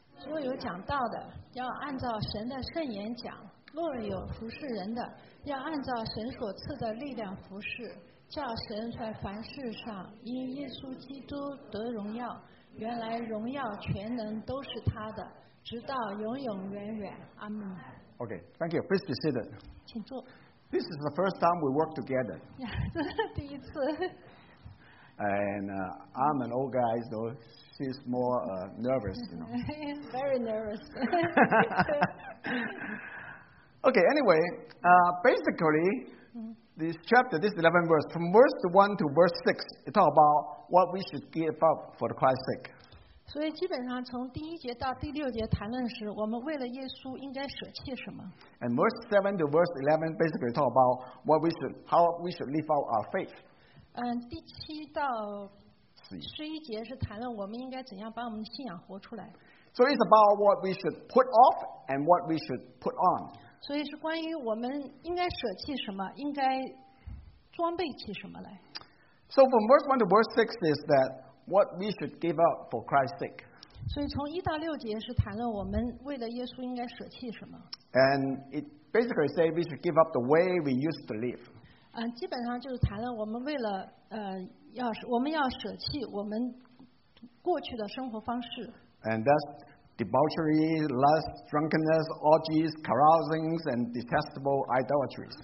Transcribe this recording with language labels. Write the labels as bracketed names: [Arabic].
[Chinese] 若有讲道的，要按照神的圣言讲；若有服侍人的，要按照神所赐的力量服侍。叫神在凡事上因耶稣基督得荣耀，原来荣耀全能都是他的，直到永永远远。阿门。 [English] Okay, thank you. Please be seated. [Chinese] 请坐。 [English] This is the first time we work together. [Chinese] Yeah, 第一次。 [English] And I'm an old guy, so she's more nervous, you know. Very nervous. Okay, anyway, basically. This chapter, this 11 verse, from verse 1 to verse 6, it talks about what we should give up for Christ's sake. [Chinese] 所以基本上从第一节到第六节谈论时，我们为了耶稣应该舍弃什么。 [English] And verse 7 to verse 11 basically talk about how we should live out our faith. [Chinese] 第七到十一节是谈论我们应该怎样把我们的信仰活出来。 [English] So it's about what we should put off and what we should put on. [Chinese] 所以是关于我们应该舍弃什么，应该装备起什么来。 [English] So from verse 1 to verse 6 is that what we should give up for Christ's sake. [Chinese] 所以从1到6节是谈论我们为了耶稣应该舍弃什么。 [English] And it basically says we should give up the way we used to live. [Chinese] 基本上就是谈论我们为了我们要舍弃我们过去的生活方式。 [English] And that's debauchery, lust, drunkenness, orgies, carousings, and detestable idolatries.